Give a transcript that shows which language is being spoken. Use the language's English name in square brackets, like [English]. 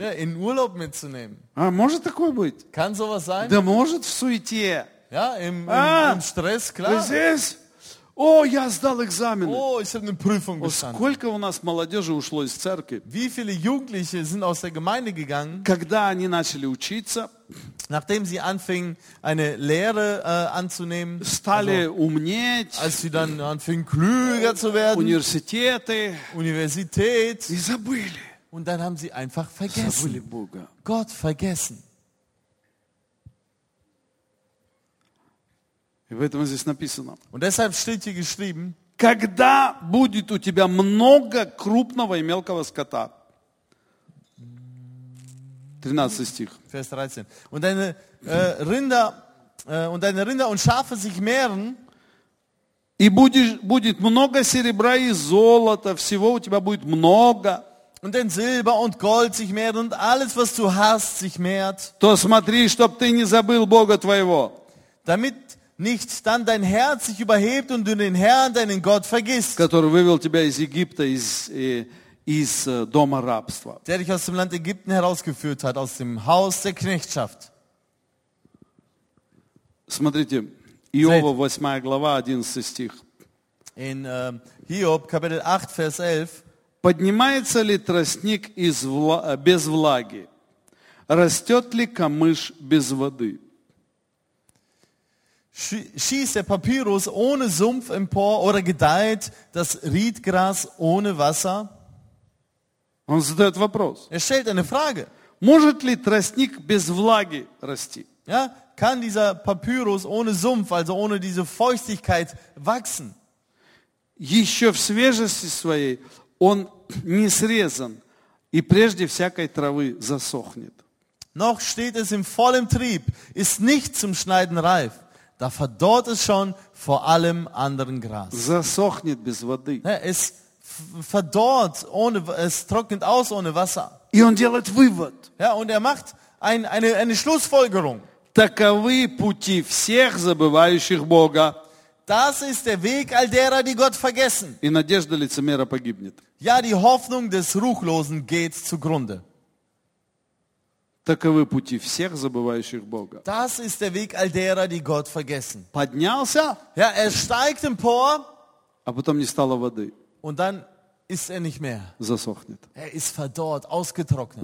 [German] Yeah, in Urlaub mitzunehmen. [Russian] А, может такое быть? [German] Kann sowas sein? [Russian] Да может в суете. [German] Ja, im Stress, klar. [Russian] Вы здесь? О, я сдал экзамены. [German] Oh, ich habe eine Prüfung bestanden. [Russian] Сколько у нас молодежи ушло из церкви? [German] Wie viele Jugendliche sind aus der Gemeinde gegangen? [Russian] Когда они начали учиться? [German] Nachdem sie anfingen, eine Lehre anzunehmen, [Russian] стали умнеть, [German] als sie dann anfingen, klüger zu werden, [Russian] университеты, [German] Universität, [Russian] и забыли, [German] und dann haben sie einfach vergessen, [Russian] забыли Бога. [German] Gott vergessen. [Russian] И поэтому здесь написано, [German] und deshalb steht hier geschrieben, [Russian] когда будет у тебя много крупного и мелкого скота, 13 стих. [German] Vers 13. Und deine Rinder und Schafe sich mehren. [Russian] И будет много серебра и золота, всего у тебя будет много. [German] Und dein Silber und Gold sich mehren und alles, was du hast, sich mehrt. [Russian] То смотри, чтоб ты не забыл Бога твоего. [German] Damit nicht dann dein Herz sich überhebt und du den Herrn, deinen Gott, vergisst. [Russian] Который вывел тебя из Египта, из дома рабства. [German] Der dich aus dem Land Ägypten herausgeführt hat, aus dem Haus der Knechtschaft. [Russian] Смотрите, Иова 8 глава, 11 стих. [German] In Hiob, Kapitel 8, Vers 11. [Russian] Поднимается ли тростник без влаги? Растет ли камыш без воды? [German] Schießt der Papyrus ohne Sumpf empor oder gedeiht das Riedgras ohne Wasser? [Russian] Он задает вопрос. [German] Er stellt eine Frage. [Russian] Может ли тростник без влаги расти? [German] Ja, kann dieser Papyrus ohne Sumpf, also ohne diese Feuchtigkeit, wachsen? [Russian] Еще в свежести своей он не срезан и прежде всякой травы засохнет. [German] Noch steht es im vollem Trieb, ist nicht zum Schneiden reif. Da verdorrt es schon vor allem anderen Gras. [Russian] Засохнет без воды. [German] Ja, es verdorrt, ohne, es trocknet aus ohne Wasser. [Russian] И он делает вывод. [German] Ja, und er macht eine Schlussfolgerung. [Russian] Таковы пути всех забывающих Бога. [German] Das ist der Weg all derer, die Gott vergessen. [Russian] И надежда лицемера погибнет. [German] Ja, die Hoffnung des Ruchlosen geht zugrunde. [Russian] Таковы пути всех забывающих Бога. [German] Das ist der Weg all derer, die Gott vergessen. [Russian] Поднялся. [German] Ja, er steigt empor. [Russian] А потом не стало воды. [German] Und dann ist er nicht mehr. [Russian] Засохнет. [German] Er ist verdorrt, ausgetrocknet.